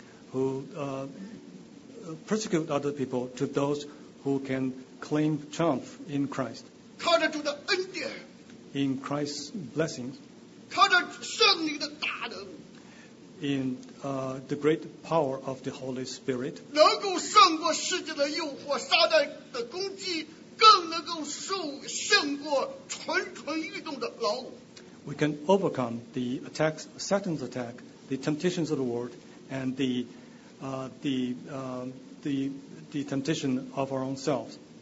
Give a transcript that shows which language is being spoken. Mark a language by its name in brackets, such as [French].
[English] Who persecute other people to those who can claim triumph in Christ. [Chinese] 靠着主的恩典, [English] in Christ's blessings. [Chinese] 靠着圣灵的大能, [English] in the great power of the Holy Spirit. [Chinese] 能够胜过世界的诱惑, 撒旦的攻击, 更能够胜过蠢蠢欲动的老虎。 [English] We can overcome the attacks, Satan's attack, the temptations of the world, and the temptation of our own selves.